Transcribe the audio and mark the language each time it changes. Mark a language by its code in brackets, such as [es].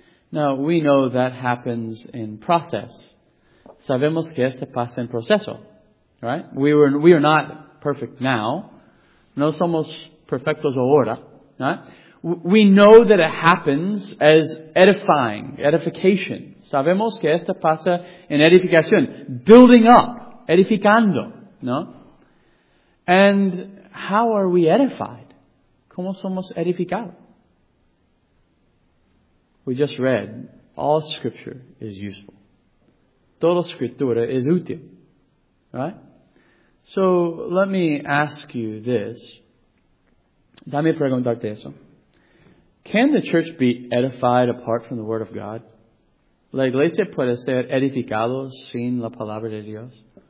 [en] Now, we know that happens in process. [es] Sabemos que esto pasa en proceso. [en] Right? We are not perfect now. [es] No somos perfectos ahora. [en] Right? We know that it happens as edifying, edification. [es] Sabemos que esto pasa en edificación, [en] building up, [es] edificando, ¿no? [en] And how are we edified? [es] ¿Cómo somos edificados? [en] We just read, all Scripture is useful. [es] Toda Escritura es útil. [en] Right? So, let me ask you this. [es] Dame preguntarte eso. [en] Can the church be edified apart from the Word of God? [es] ¿La iglesia puede ser edificada sin la Palabra de Dios?